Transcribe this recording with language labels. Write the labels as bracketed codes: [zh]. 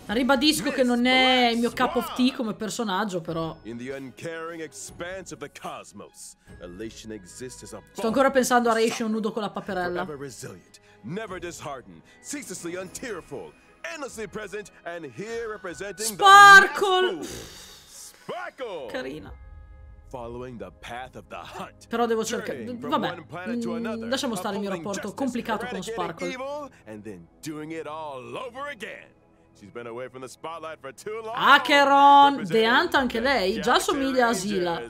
[it] Ribadisco che non è il mio [en] cup of tea [it] come personaggio, però. [en] In the uncaring expanse of the cosmos, Elation exists as a. [it] Sto ancora pensando a Ration nudo con la paperella. [en] Forever resilient, never disheartened, ceaselessly untearful, endlessly present, and here representing Sparkle. Sparkle. [it] Carina. [en] Following the path of the hunt. [it] Però devo cercare. Vabbè. Lasciamo stare il mio rapporto complicato con Sparkle. [en] And then doing it all over again. She's been away from the spotlight for too long. [it] Acheron, Deant anche lei, già somiglia a Zila.